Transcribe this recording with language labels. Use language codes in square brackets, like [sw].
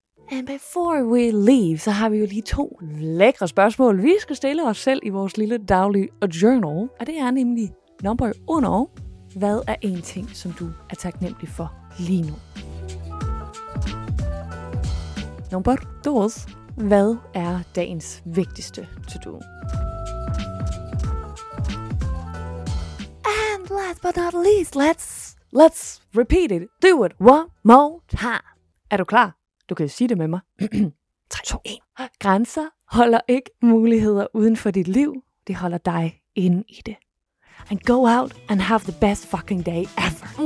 [en] And before we leave, [da] så har vi jo lige to lækre spørgsmål, vi skal stille os selv i vores lille daglige journal. Og det er nemlig number uno. Hvad er en ting, som du er taknemmelig for lige nu? Number dos. Hvad er dagens vigtigste to-do? [en] And last but not least, let's repeat it. Do it one more time. [da] Er du klar? Du kan sige det med mig. 3, 2, 1. Grænser holder ikke muligheder uden for dit liv. Det holder dig inde i det. [en] And go out and have the best fucking day ever.